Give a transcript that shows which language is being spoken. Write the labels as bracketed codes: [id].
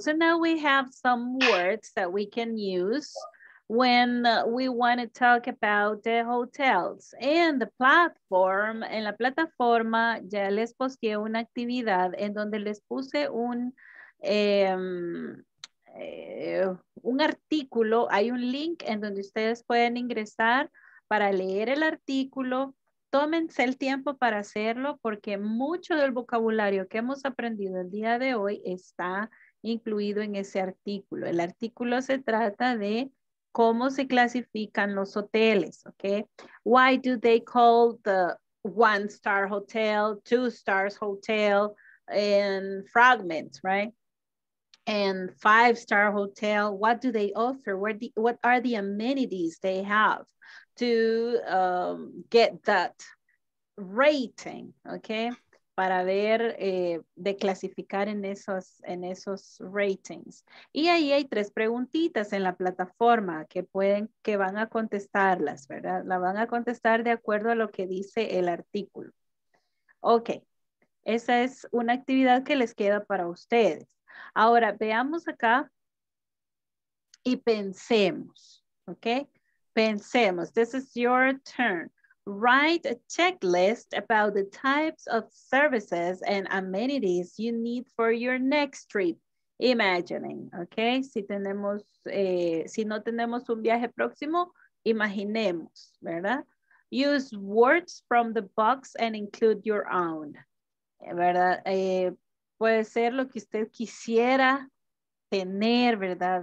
[en] So now we have some words that we can use when we want to talk about the hotels and the platform. [es] En la plataforma ya les posteé una actividad en donde les puse un artículo. Hay un link en donde ustedes pueden ingresar para leer el artículo. Tómense el tiempo para hacerlo porque mucho del vocabulario que hemos aprendido el día de hoy está incluido en ese artículo. El artículo se trata de cómo se clasifican los hoteles, ¿ok? [en] Why do they call the one-star hotel, two-star hotel, and fragments, right? And five-star hotel, what do they offer? What are the amenities they have to get that rating, okay? [es] Para ver de clasificar en esos ratings. Y ahí hay tres preguntitas en la plataforma que van a contestarlas, ¿verdad? La van a contestar de acuerdo a lo que dice el artículo. Ok, esa es una actividad que les queda para ustedes. Ahora, veamos acá y pensemos, ¿ok? Pensemos. [en] This is your turn. Write a checklist about the types of services and amenities you need for your next trip. Imagining, ¿ok? [es] Si no tenemos un viaje próximo, imaginemos, ¿verdad? [en] Use words from the box and include your own, [es] ¿verdad? Puede ser lo que usted quisiera tener, ¿verdad?